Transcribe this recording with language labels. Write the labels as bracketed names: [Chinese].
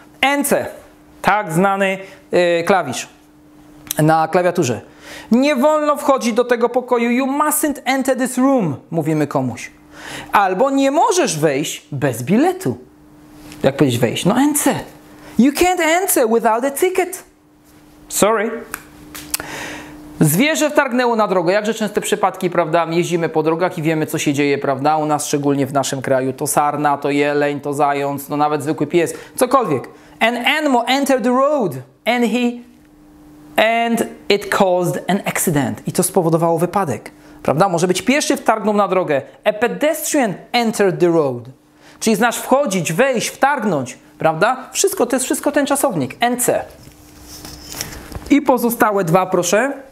[Polish] Enter, tak znany klawisz na klawiaturze. Nie wolno wchodzić do tego pokoju. [English] You mustn't enter this room, [Polish] mówimy komuś. Albo nie możesz wejść bez biletu. Jak powiedzieć wejść? No enter. [English] You can't enter without a ticket. Sorry. [Polish] Zwierzę wtargnęło na drogę. Jakże częste przypadki, prawda? Jeździmy po drogach i wiemy, co się dzieje, prawda? U nas, szczególnie w naszym kraju. To sarna, to jeleń, to zając, no nawet zwykły pies. Cokolwiek. [English] An animal entered the road and he... And it caused an accident. [Polish] I to spowodowało wypadek. Prawda? Może być pieszy wtargnął na drogę. [English] A pedestrian entered the road. [Polish] Czyli znasz wchodzić, wejść, wtargnąć. Prawda? Wszystko, to jest wszystko ten czasownik. NC. I pozostałe dwa, proszę.